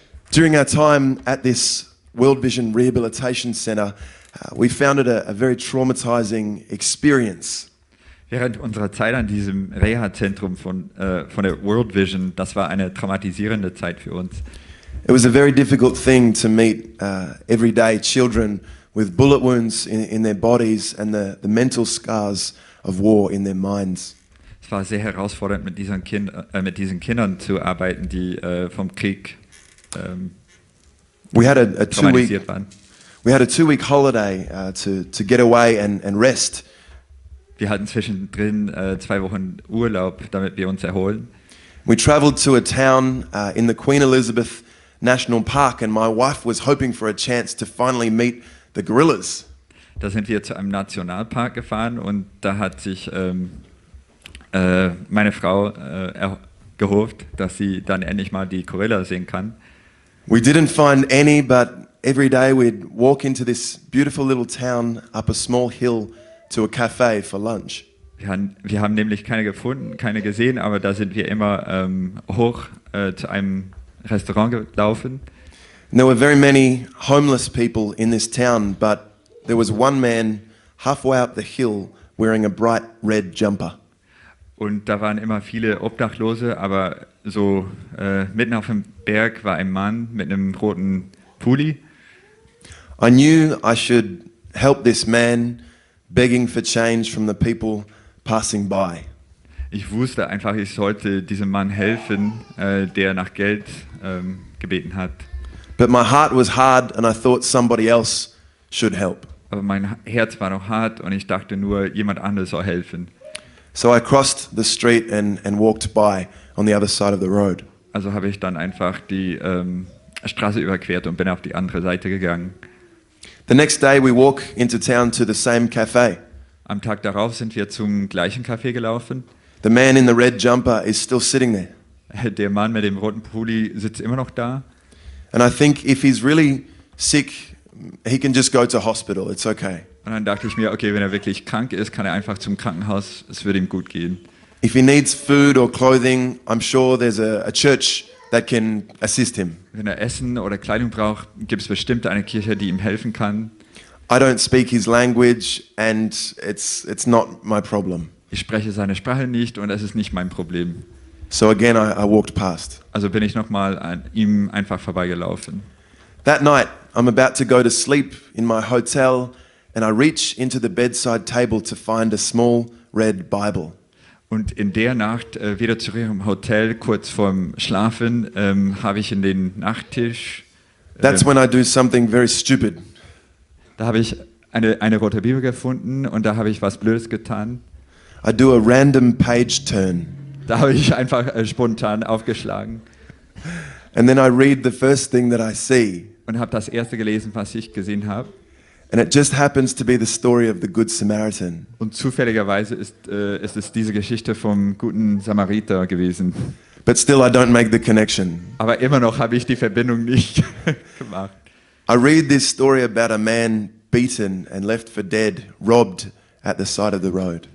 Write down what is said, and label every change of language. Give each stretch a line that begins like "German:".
English: During our time at this World Vision Rehabilitation Center, we found it a very traumatizing experience.
German: Während unserer Zeit an diesem Reha-Zentrum von der World Vision, das war eine traumatisierende Zeit für uns.
English: It was a very difficult thing to meet everyday children with bullet wounds in their bodies and the mental scars of war in their minds.
German: Es war sehr herausfordernd, mit diesen, Kindern zu arbeiten, die vom Krieg traumatisiert waren.
English: We had a two-week holiday to get away and rest.
German: Wir hatten zwischendrin zwei Wochen Urlaub, damit wir uns erholen.
English: We traveled to a town in the Queen Elizabeth National Park, and my wife was hoping for a chance to finally meet the gorillas.
German: Da sind wir zu einem Nationalpark gefahren und da hat sich meine Frau gehofft, dass sie dann endlich mal die Gorillas sehen kann.
English: We didn't find any, but every day we'd walk into this beautiful little town up a small hill to a cafe for lunch.
German: Wir haben nämlich keine gefunden, keine gesehen, aber da sind wir immer hoch zu einem Restaurant gelaufen.
English: There were very many homeless people in this town, but there was one man halfway up the hill wearing a bright red jumper.
German: Und da waren immer viele Obdachlose, aber so mitten auf dem Berg war ein Mann mit einem roten Pulli.
English: I knew I should help this man begging for change from the people passing by.
German: Ich wusste einfach, ich sollte diesem Mann helfen, der nach Geld gebeten hat.
English: But my heart was hard and I thought somebody else should help.
German: Aber mein Herz war noch hart und ich dachte nur, jemand anderes soll helfen.
English: So I crossed the street and walked by on the other side of the road.
German: Also habe ich dann einfach die Straße überquert und bin auf die andere Seite gegangen.
English: The next day we walk into town to the same cafe.
German: Am Tag darauf sind wir zum gleichen Café gelaufen.
English: The man in the red jumper is still sitting there.
German: Der Mann mit dem roten Pulli sitzt immer noch da.
English: And I think if he's really sick, he can just go to hospital. It's okay.
German: Und dann dachte ich mir, okay, wenn er wirklich krank ist, kann er einfach zum Krankenhaus. Es wird ihm gut gehen.
English: If he needs food or clothing, I'm sure there's a church that can assist him.
German: Wenn er Essen oder Kleidung braucht, gibt es bestimmt eine Kirche, die ihm helfen kann.
English: I don't speak his language and it's not my problem.
German: Ich spreche seine Sprache nicht und es ist nicht mein Problem.
English: So again I walked past.
German: Also bin ich nochmal an ihm einfach vorbeigelaufen.
English: That night I'm about to go to sleep in my hotel and I reach into the bedside table to find a small red Bible.
German: Und in der Nacht, wieder zurück im Hotel, kurz vorm Schlafen, habe ich in den Nachttisch.
English: That's when I do something very stupid.
German: Da habe ich eine rote Bibel gefunden und da habe ich was Blödes getan.
English: I do a random page turn.
German: Da habe ich einfach spontan aufgeschlagen.
English: And then I read the first thing that I see.
German: Und habe das erste gelesen, was ich gesehen habe.
English: And it just happens to be the story of the Good Samaritan.
German: Und zufälligerweise ist es diese Geschichte vom guten Samariter gewesen.
English: But still I don't make the connection.
German: Aber immer noch habe ich die Verbindung nicht gemacht.
English: I read this story about a man beaten and left for dead, robbed at the side of the road.